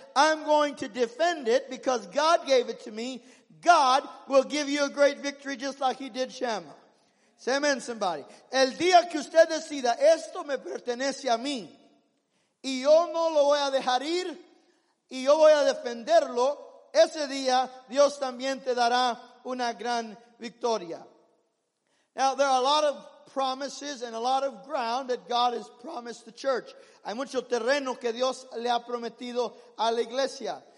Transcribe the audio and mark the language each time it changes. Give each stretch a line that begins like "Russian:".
English: I'm going to defend it because God gave it to me. God will give you a great victory just like he did Shammah. Say amen, somebody.
Spanish: El día que usted decida, esto me pertenece a mí, y yo no lo voy a dejar ir, y yo voy a defenderlo, ese día Dios también te dará una gran victoria.
English: Now, there are a lot of promises and a lot of ground that God has promised the church.
Spanish: Hay mucho terreno que Dios le ha prometido a la iglesia.